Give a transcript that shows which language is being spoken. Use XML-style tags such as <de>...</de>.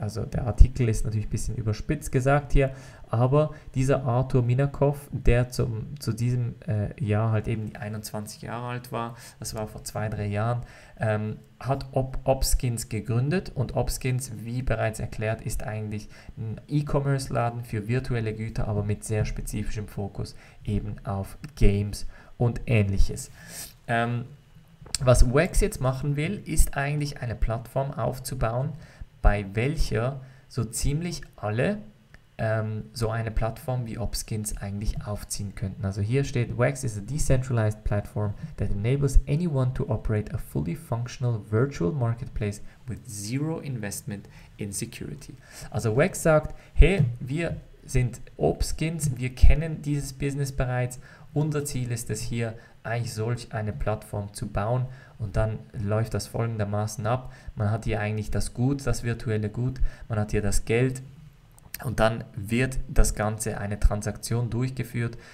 <de>Also der Artikel ist natürlich ein bisschen überspitzt gesagt hier, aber dieser Arthur Minakov, der zu diesem Jahr halt eben 21 Jahre alt war, das war vor 2, 3 Jahren, hat OpSkins gegründet und OpSkins, wie bereits erklärt, ist eigentlich ein E-Commerce-Laden für virtuelle Güter, aber mit sehr spezifischem Fokus eben auf Games und Ähnliches. Was Wax jetzt machen will, ist eigentlich eine Plattform aufzubauen, bei welcher so ziemlich alle so eine Plattform wie OpSkins eigentlich aufziehen könnten. Also hier steht,</de> <en>Wax is a decentralized platform that enables anyone to operate a fully functional virtual marketplace with zero investment in security.</en> <de>Also Wax sagt, hey, wir sind OpSkins, wir kennen dieses Business bereits, unser Ziel ist es hier, eigentlich solch eine Plattform zu bauen und dann läuft das folgendermaßen ab. Man hat hier eigentlich das Gut, das virtuelle Gut, man hat hier das Geld und dann wird das Ganze eine Transaktion durchgeführt.</de>